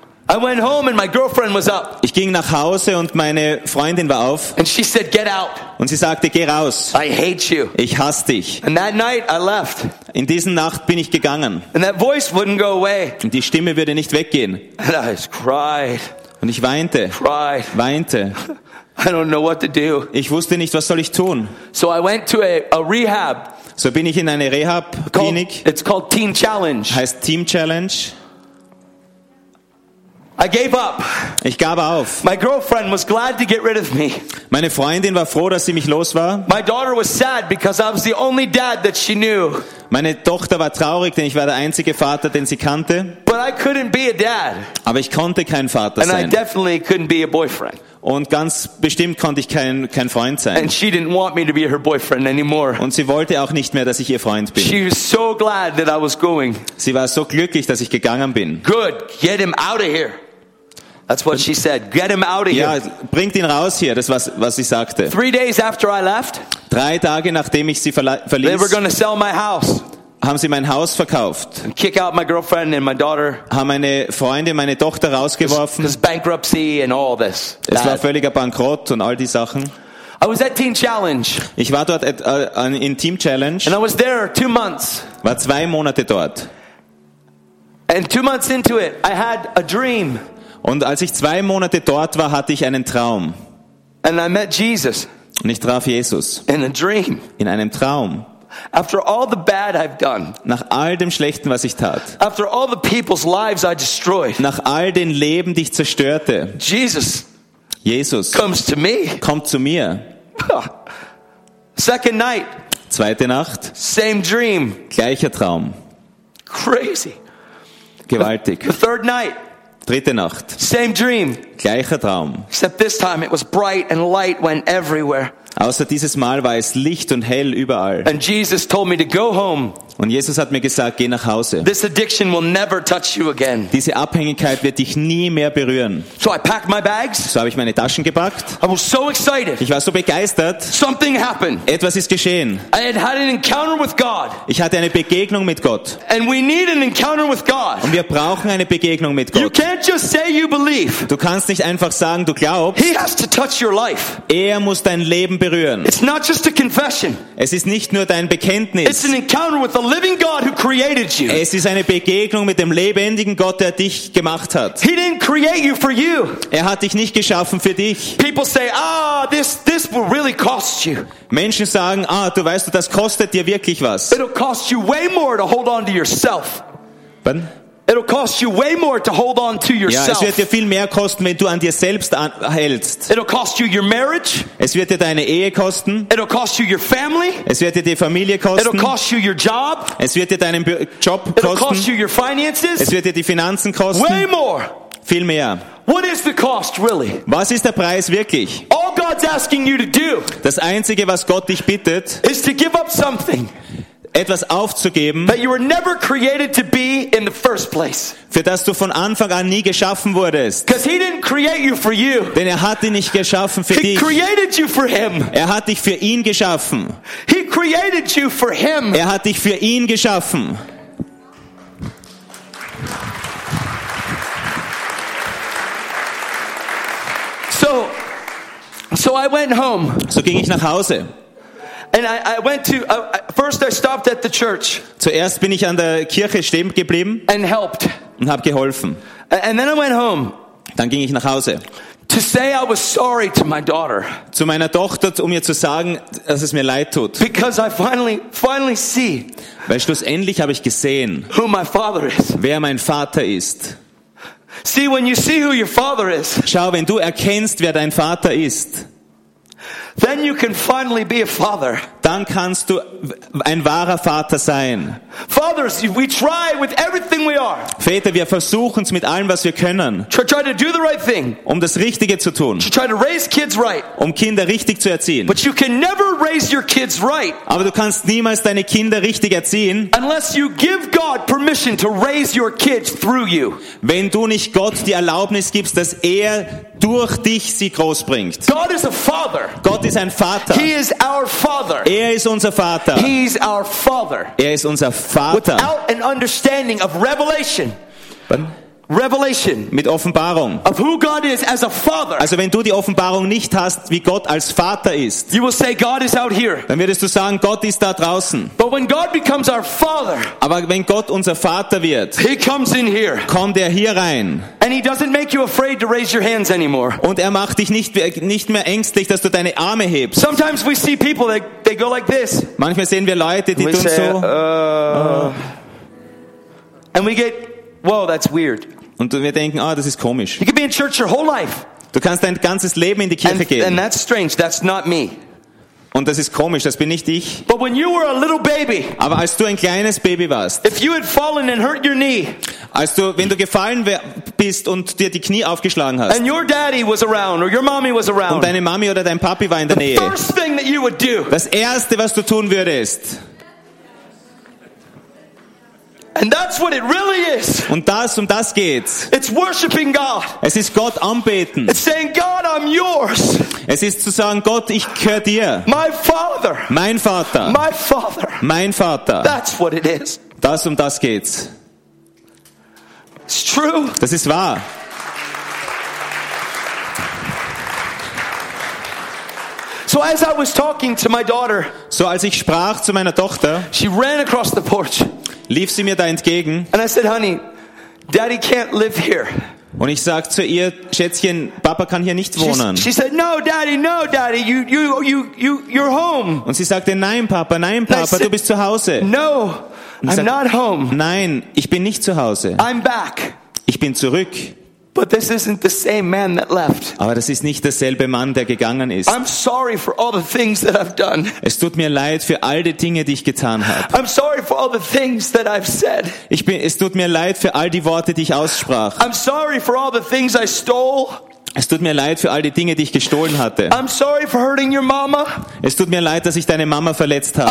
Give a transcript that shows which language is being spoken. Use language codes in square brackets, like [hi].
[en] I went home and my girlfriend was up. [de] Ich ging nach Hause und meine Freundin war auf. [en] And she said, "Get out." [de] Und sie sagte, geh raus. [en] I hate you. [de] Ich hasse dich. [en] And that night I left. [de] In diesen Nacht bin ich gegangen. [en] And that voice wouldn't go away. [de] Und die Stimme würde nicht weggehen. [en] And I just cried. [de] Und ich weinte. [en] Cried. [de] Weinte. [en] I don't know what to do. [de] Ich wusste nicht, was soll ich tun. [en] So I went to a rehab. [de] So bin ich in eine Rehab-Klinik. [en] It's called Teen Challenge. [de] Heißt Team Challenge. [en] I gave up. [de] Ich gab auf. [en] My girlfriend was glad to get rid of me. [de] Meine Freundin war froh, dass sie mich los war. [en] My daughter was sad because I was the only dad that she knew. [de] Meine Tochter war traurig, denn ich war der einzige Vater, den sie kannte. [en] But I couldn't be a dad. [de] Aber ich konnte kein Vater [en] and [de] sein. [en] And I definitely couldn't be a boyfriend. [de] Und ganz bestimmt konnte ich kein Freund sein. [en] And she didn't want me to be her boyfriend anymore. [de] Und sie wollte auch nicht mehr, dass ich ihr Freund bin. [en] She was so glad that I was going. [de] Sie war so glücklich, dass ich gegangen bin. [en] Good, get him out of here. That's what she said. Get him out of here. [de] Ja, bringt ihn raus hier. Das was sie sagte. [en] 3 days after I left. [de] 3 Tage nachdem ich sie verließ. [en] They were going to sell my house. [de] Haben sie mein Haus verkauft. [en] And kick out my girlfriend and my daughter. [de] Haben meine Freunde meine Tochter rausgeworfen. [en] This bankruptcy and all this. [de] Es war völliger Bankrott und all die Sachen. [en] I was at Team Challenge. [de] Ich war dort in Team Challenge. [en] And I was there 2 months. [de] War 2 Monate dort. [en] And 2 months into it, I had a dream. [de] Und als ich 2 Monate dort war, hatte ich einen Traum. [en] And I met Jesus. [de] Und ich traf Jesus. [en] In a dream. [de] In einem Traum. [en] After all the bad I've done. [de] Nach all dem Schlechten, was ich tat. [en] After all the people's lives I destroyed. [de] Nach all den Leben, die ich zerstörte. [en] Jesus. Comes to me. [de] Kommt zu mir. [en] Second night. [de] 2. Nacht. [en] Same dream. [de] Gleicher Traum. [en] Crazy. [de] Gewaltig. [en] The third night. [de] 3. Nacht. [en] Same dream. [de] Gleicher Traum. [en] Except this time it was bright and light went everywhere. [de] Außer dieses Mal war es Licht und hell überall. [en] And Jesus told me to go home. [de] Und Jesus hat mir gesagt, geh nach Hause. [en] This addiction will never touch you again. [de] Diese Abhängigkeit wird dich nie mehr berühren. [en] So I packed my bags. [de] So habe ich meine Taschen gepackt. [en] I was so excited. [de] Ich war so begeistert. [en] Something happened. [de] Etwas ist geschehen. [en] I had had an encounter with God. [de] Ich hatte eine Begegnung mit Gott. [en] And we need an encounter with God. [de] Und wir brauchen eine Begegnung mit Gott. [en] You can't just say you believe. [de] Du kannst nicht einfach sagen, du glaubst. [en] He has to touch your life. [de] Er muss dein Leben berühren. [en] It's not just a confession. [de] Es ist nicht nur dein Bekenntnis. [en] It's an encounter with the living God who created you. [de] Es ist eine Begegnung mit dem lebendigen Gott, der dich gemacht hat. [en] He didn't create you for you. [de] Er hat dich nicht geschaffen für dich. [en] People say, ah, this will really cost you. [de] Menschen sagen, ah, du weißt, das kostet dir wirklich was. [en] It'll cost you way more to hold on to yourself. Ben? It'll cost you way more to hold on to yourself. [de] Ja, es wird dir viel mehr kosten, wenn du an dir selbst hältst. [en] It'll cost you your marriage. [de] Es wird dir deine Ehe kosten. [en] It'll cost you your family. [de] Es wird dir die Familie kosten. [en] It'll cost you your job. [de] Es wird dir deinen Job kosten. [en] It'll cost you your finances. [de] Es wird dir die Finanzen kosten. [en] Way more. [de] Viel mehr. [en] What is the cost really? [de] Was ist der Preis wirklich? [en] All God's asking you to do. [de] Das einzige, was Gott dich bittet, [en] is to give up something. [de] Etwas aufzugeben, [en] that you were never created to be in the first place. [de] Für das du von Anfang an nie geschaffen wurdest. [en] Because he didn't create you for you. [de] Denn er hat dich nicht geschaffen für [en] he [de] dich. [en] He created you for him. [de] Er hat dich für ihn geschaffen. [en] He created you for him. [de] Er hat dich für ihn geschaffen. [en] So I went home. [de] So ging ich nach Hause. [en] And I went to first I stopped at the church. [de] Zuerst bin ich an der Kirche stehen geblieben. [en] And helped. [de] Und habe geholfen. [en] And then I went home. [de] Dann ging ich nach Hause. [en] To say I was sorry to my daughter. [de] Zu meiner Tochter, um ihr zu sagen, dass es mir leid tut. [en] Because I finally see. [de] Weil schlussendlich habe ich gesehen, [en] who my father is. [de] Wer mein Vater ist. [en] See, when you see who your father is. [de] Schau, wenn du erkennst, wer dein Vater ist. [en] Then you can finally be a father. [de] Dann kannst du ein wahrer Vater sein. [en] Fathers, we try with everything we are. [de] Väter, wir versuchen es mit allem, was wir können. [en] Try to do the right thing. [de] Um das Richtige zu tun. [en] Try to raise kids right. [de] Um Kinder richtig zu erziehen. [en] But you can never raise your kids right. [de] Aber du kannst niemals deine Kinder richtig erziehen. [en] Unless you give God permission to raise your kids through you. [de] Wenn du nicht Gott die Erlaubnis gibst, dass er durch dich sie großbringt. [en] God is a father. [de] Gott ist ein Vater. [en] He is our father. [de] Er ist unser Vater. [en] He is our father. [de] Er ist unser Vater. [en] Without an understanding of revelation. [de] Wann? [en] Revelation. [de] Mit Offenbarung. [en] Of who God is as a father. [de] Also wenn du die Offenbarung nicht hast, wie Gott als Vater ist. [en] You will say God is out here. [de] Dann würdest du sagen, Gott ist da draußen. [en] But when God becomes our father. [de] Aber wenn Gott unser Vater wird. [en] He comes in here. [de] Kommt er hier rein. [en] And he doesn't make you afraid to raise your hands anymore. [de] Und er macht dich nicht mehr ängstlich, dass du deine Arme hebst. [en] Sometimes we see people that they go like this. [de] Manchmal sehen wir Leute, die tun so. [en] And we get, whoa, that's weird. [de] Und wir denken, ah, das ist komisch. [en] You can be in church your whole life. [de] Du kannst dein ganzes Leben in die Kirche gehen. [en] And that's strange. That's not me. [de] Und das ist komisch, das bin nicht ich. [en] But when you were a little baby, [de] aber als du ein kleines Baby warst, [en] if you had fallen and hurt your knee, [de] als du, wenn du gefallen bist und dir die Knie aufgeschlagen hast, [en] and your daddy was around, or your mommy was around, [de] und deine Mami oder dein Papi war in der Nähe, [en] the first thing that you would do, [de] das Erste, was du tun würdest, [en] and that's what it really is. [de] Und das, um das geht's. [en] It's worshiping God. [de] Es ist Gott anbeten. [en] It's saying, God, I'm yours. [de] Es ist zu sagen, Gott, ich gehör dir. [en] My father. [de] Mein Vater. [en] My father. [de] Mein Vater. [en] That's what it is. [de] Das, um das geht's. [en] It's true. [de] Das ist wahr. [en] So as I was talking to my daughter, [de] so als ich sprach zu meiner Tochter, [en] she ran across the porch. [de] Lief sie mir da entgegen. [en] And I said, honey, daddy can't live here. [de] Und ich sag zu ihr, Schätzchen, Papa kann hier nicht wohnen. [en] She said, no, daddy, you're home. [de] Und sie sagte, nein, Papa, said, du bist zu Hause. [en] No, I'm not home. [de] Nein, ich bin nicht zu Hause. [en] I'm back. [de] Ich bin zurück. [en] But this isn't the same man that left. [de] Aber das ist nicht derselbe Mann, der gegangen ist. [en] I'm sorry for all the things that I've done. [de] Es tut mir leid für all die Dinge, die ich getan habe. [en] I'm sorry for all the things that I've said. [de] Es tut mir leid für all die Worte, die ich aussprach. [en] I'm sorry for all the things I stole. [de] Es tut mir leid für all die Dinge, die ich gestohlen hatte. [en] I'm sorry for hurting your mama. [de] Es tut mir leid, dass ich deine Mama verletzt habe.